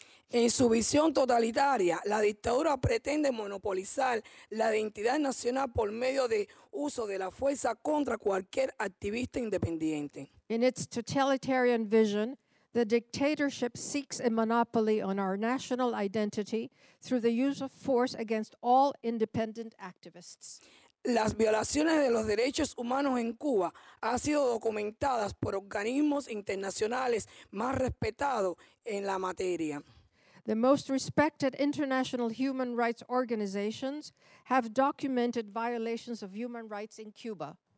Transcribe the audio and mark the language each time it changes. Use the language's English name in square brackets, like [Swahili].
[Spanish] En su visión totalitaria, la dictadura pretende monopolizar la identidad nacional por medio de uso de la fuerza contra cualquier activista independiente. [English] In its totalitarian vision, the dictatorship seeks a monopoly on our national identity through the use of force against all independent activists. [Spanish] Las violaciones de los derechos humanos en Cuba han sido documentadas por organismos internacionales más respetados en la materia. [English] The most respected international human rights organizations have documented violations of human rights in Cuba.